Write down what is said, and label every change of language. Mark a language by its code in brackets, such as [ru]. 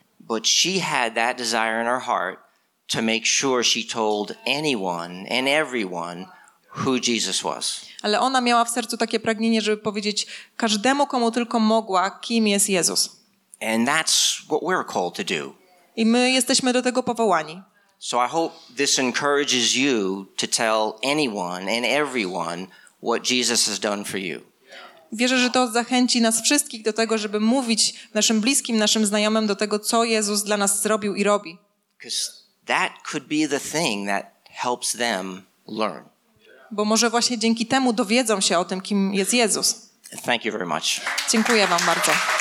[en] But she had that desire in her heart to make sure she told anyone and everyone who Jesus was. [pl] Ale ona miała w sercu takie pragnienie, żeby powiedzieć każdemu, komu tylko mogła, kim jest Jezus. [en] And that's what we're called to do. [pl] I my jesteśmy do tego powołani. [en] So I hope this encourages you to tell anyone and everyone what Jesus has done for you. [pl] Wierzę, że to zachęci nas wszystkich do tego, żeby mówić naszym bliskim, naszym znajomym do tego, co Jezus dla nas zrobił i robi. [en] Because that could be the thing that helps them learn. [pl] Bo może właśnie dzięki temu dowiedzą się o tym, kim jest Jezus. [en] Thank you very much. [pl] Dziękuję wam bardzo.